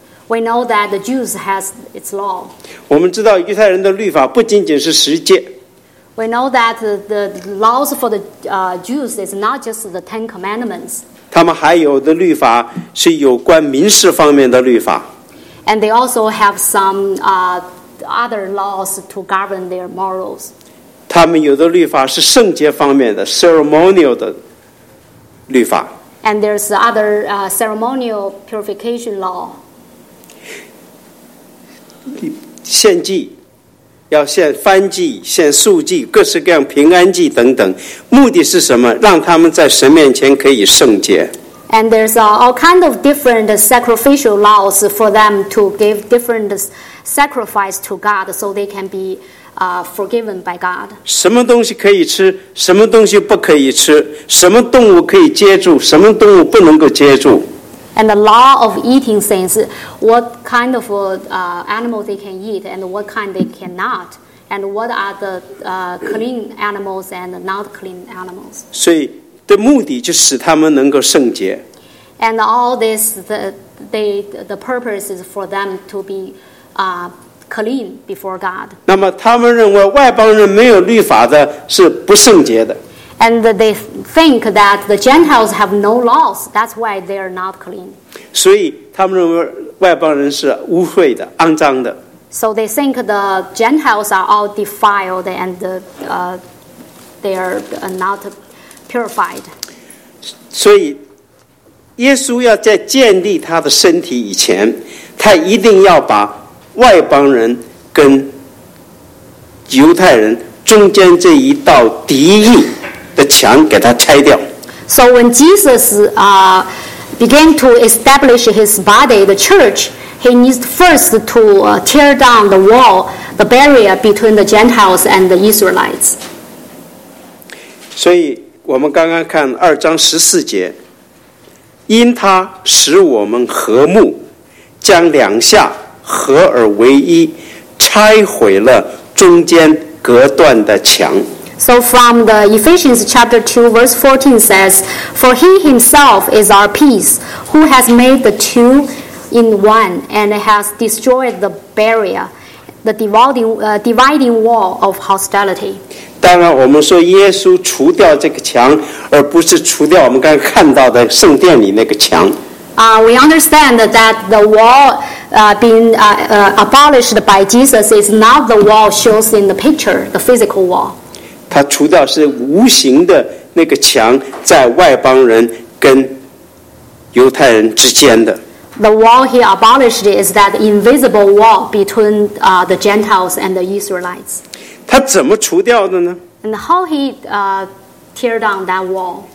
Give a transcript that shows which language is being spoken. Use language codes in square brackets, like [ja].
[en] We know that the Jews has its law. [zh] 我们知道犹太人的律法不仅仅是十诫。 [en] We know that the laws for the Jews is not just the Ten Commandments. [zh] 他们还有的律法是有关民事方面的律法。 [en] And they also have some other laws to govern their morals. [zh] 他们有的律法是圣洁方面的 ceremonial 的律法。 [en] And there's other ceremonial purification law. [zh] 献祭。要献燔祭、献素祭、各式各样平安祭等等，目的是什么？让他们在神面前可以圣洁。 [en] And there's all kind of different sacrificial laws for them to give different sacrifice to God, so they can be forgiven by God. [zh] 什么东西可以吃？什么东西不可以吃？什么动物可以接触？什么动物不能够接触？ [en] And the law of eating things, what kind of animals they can eat and what kind they cannot, and what are the clean animals and not clean animals. [zh] 所以的目的就使他们能够圣洁。 [en] And all this, the purpose is for them to be clean before God. [zh] 那么他们认为外邦人没有律法的是不圣洁的。 [en] And they think that the Gentiles have no laws. That's why they are not clean. [zh] 所以他们认为外邦人是污秽的、肮脏的。 [en] So they think the Gentiles are all defiled and they are not purified. [zh] 所以耶稣要在建立他的身体以前，他一定要把外邦人跟犹太人中间这一道敌意。 [en] So when Jesus began to establish his body, the church, he needs first to tear down the wall, the barrier between the Gentiles and the Israelites. [zh] 所以我们刚刚看二章十四节，因他使我们和睦，将两下合而为一，拆毁了中间隔断的墙。 [en] So from the Ephesians chapter 2 verse 14 says, For he himself is our peace, who has made the two in one, and has destroyed the barrier, the dividing wall of hostility. [zh] 当然我们说耶稣除掉这个墙，而不是除掉我们刚才看到的圣殿里那个墙。 [en] We understand that the wall being abolished by Jesus is not the wall shows in the picture, the physical wall. [zh] 他除掉是无形的那个墙，在外邦人跟犹太人之间的。 [en] The wall he abolished is that invisible wall between the Gentiles and the Israelites. [zh] 他怎么除掉的呢 [en] ？And how he tear down that wall?